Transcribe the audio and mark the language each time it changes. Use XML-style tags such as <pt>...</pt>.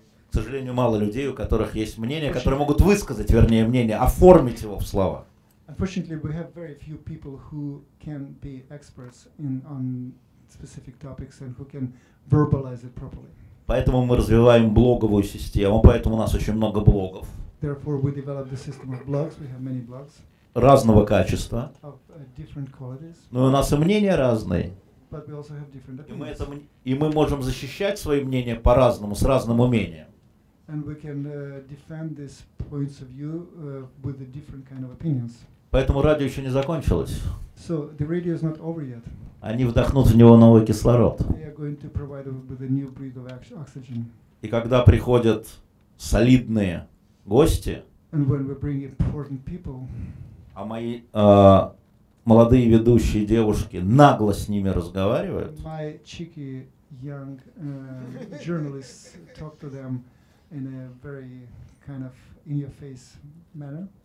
<ru>К сожалению, мало людей, у которых есть мнение, которые могут высказать, вернее, мнение, оформить его в слова.</ru> <en>Unfortunately, we have very few people who can be experts on specific topics and who can verbalize it properly.</en> <ru>Поэтому мы развиваем блоговую систему, поэтому у нас очень много блогов.</ru> <en>Therefore, we developed the system of blocks. We have many blocks.</en> <ru>Разного качества.</ru> <en>Of different qualities.</en> <ru>Но у нас и мнения разные.</ru> <en>But we also have different opinions.</en> <ru>И мы можем защищать свои мнения по-разному, с разным умением.</ru> <en>And we can defend these points of view with a different kind of opinions.</en> <ru>Поэтому радио еще не закончилось.</ru> <en>So the radio is not over yet.</en> <ru>Они вдохнут в него новый кислород.</ru> <en>They are going to provide us with a new breath of oxygen.</en> <ru>И когда приходят солидные гости,</ru> <en>and when we bring important people,</en> <ru>а мои молодые ведущие девушки нагло с ними разговаривают,</ru> <en>my cheeky young journalists talk to them in a very kind of in your face manner.</en>